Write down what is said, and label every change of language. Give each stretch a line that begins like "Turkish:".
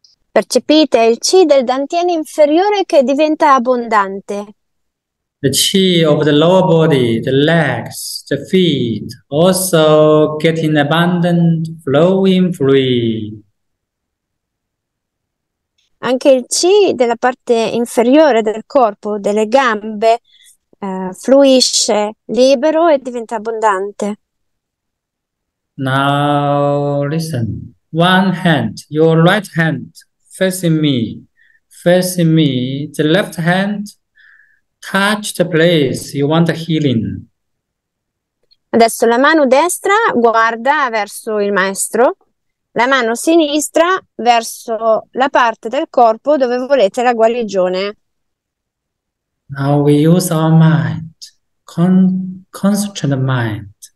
Italian: Percepite il chi del dantiano inferiore che diventa abbondante.
English: The chi of the lower body, the legs, the feet, also getting abundant, flowing free.
Italian: Anche il chi della parte inferiore del corpo, delle gambe, fluisce libero e diventa abbondante.
English: Now listen, one hand, your right hand facing me, the left hand touch the place you want the healing.
Italian: Adesso la mano destra guarda verso il maestro, la mano sinistra verso la parte del corpo dove volete la guarigione.
English: Now we use our mind, concentrate mind.